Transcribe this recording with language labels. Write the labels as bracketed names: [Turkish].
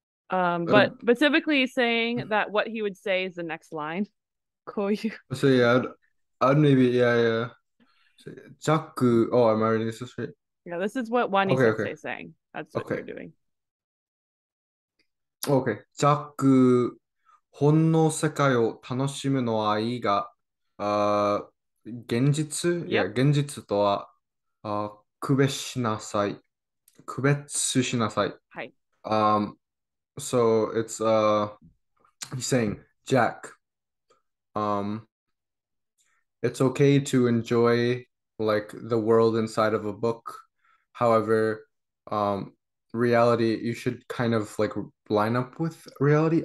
[English] But specifically saying that what he would say is the next line. So yeah, I'd maybe yeah. So, Jaku, oh, I'm already this is right. Yeah, this is what Wani Sensei is saying. That's what you're doing. Okay. [Japanese] Jaku, 本の世界を楽しむのはいいが、現実、いや、 [English] Yep. [Japanese] 現実とは、区別しなさい。区別しなさい。 [English] So it's he's saying, Jack, it's okay to enjoy like the world inside of a book. However, reality, you should kind of like line up with reality.